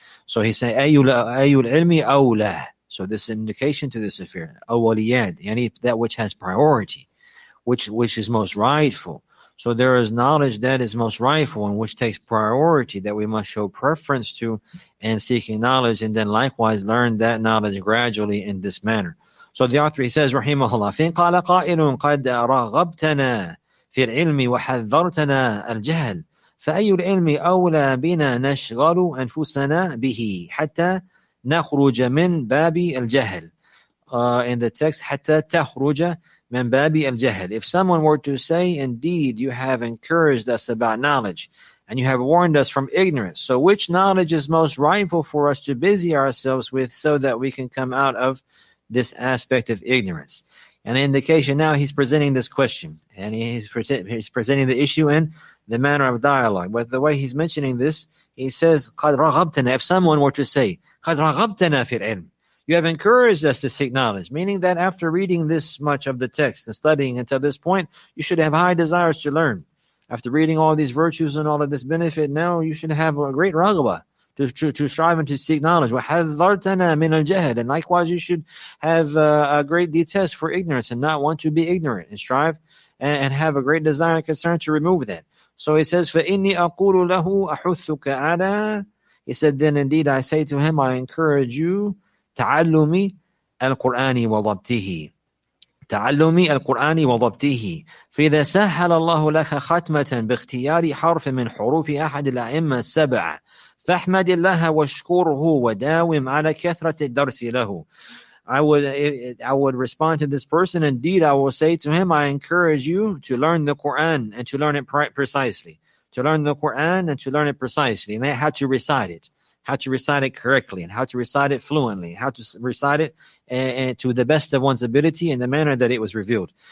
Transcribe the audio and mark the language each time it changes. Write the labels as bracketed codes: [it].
[en] So he say, ayul ilmi awla. So this is an indication to this affair. Awaliyat, yani that which has priority, which is most rightful. So there is knowledge that is most rightful and which takes priority that we must show preference to and seeking knowledge, and then likewise learn that knowledge gradually in this manner. So the author, he says, rahimahullah, [ar] فَإِنْ قَالَ قَائِلٌ قَدْ رَغَبْتَنَا فِي الْعِلْمِ وَحَذَّرْتَنَا الْجَهْلِ فَأَيُّ الْعِلْمِ أَوْلَى بِنَا نَشْغَلُ أَنفُسَنَا بِهِ حَتَّى نَخْرُجَ مِنْ بَابِ الْجَهْلِ. [en] In the text, [ar] حَتَّى تَخْرُجَ مِنْ بَابِ الْجَهْلِ. [en] If someone were to say, indeed, you have encouraged us about knowledge, and you have warned us from ignorance. So which knowledge is most rightful for us to busy ourselves with so that we can come out of this aspect of ignorance? An indication now he's presenting this question, and he's presenting the issue in the manner of dialogue. But the way he's mentioning this, he says, [ar] قَدْ رَغَبْتَنَا, [en] if someone were to say, [ar] قَدْ رَغَبْتَنَا فِي الْعِلْمِ, [en] you have encouraged us to seek knowledge, meaning that after reading this much of the text and studying until this point, you should have high desires to learn. After reading all these virtues and all of this benefit, now you should have a great raghbah to strive and to seek knowledge. [ar] وَحَذَّرْتَنَا مِنَ الْجَهَدِ, [en] and likewise, you should have a great detest for ignorance and not want to be ignorant, and strive and have a great desire and concern to remove that. So he says, [ar] فَإِنِّي أَقُولُ لَهُ أَحُثُّكَ عَلَىٰ, [en] he said, then indeed I say to him, I encourage you, [ar] تَعَلُّمِ الْقُرْآنِ وَضَبْتِهِ, تَعَلُّمِ الْقُرْآنِ وَضَبْتِهِ, فَإِذَا سَهَّلَ اللَّهُ لَكَ خَتْمَةً بِاخْتِيَارِ حَرْفٍ مِّنْ حُرُوفِ أَحَدِ الْأَئِمَّةِ السَّبْعَ فَأَحْمَدِ اللَّهَ وَاشْكُرْهُ وَدَاوِمْ عَلَىٰ كَثْرَةِ الدَّرْسِ لَهُ. [en] I would respond to this person, indeed I will say to him, I encourage you to learn the Quran and to learn it precisely. To learn the Quran and to learn it precisely. And how to recite it. How to recite it correctly and how to recite it fluently. How to recite it and to the best of one's ability in the manner that it was revealed.